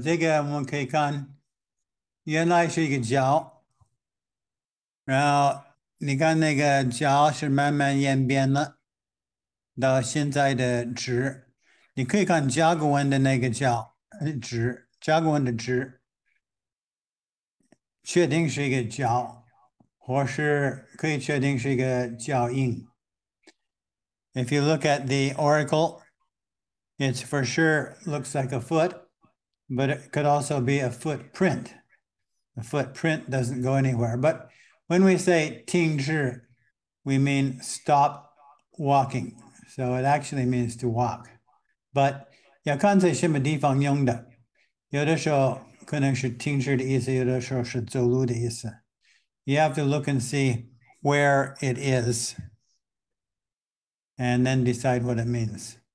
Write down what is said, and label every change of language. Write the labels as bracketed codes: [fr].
[zh] 这个我们可以看，原来是一个脚，然后你看那个脚是慢慢演变了，到现在的直。你可以看甲骨文的那个脚趾，甲骨文的趾，确定是一个脚，或是可以确定是一个脚印。 [en] If you look at the oracle, it for sure looks like a foot, but it could also be a footprint. A footprint doesn't go anywhere. But when we say 停止, we mean stop walking. So it actually means to walk. [zh] But 要看在什么地方用的，有的时候可能是停止的意思，有的时候是走路的意思。 [en] You have to look and see where it is, and then decide what it means.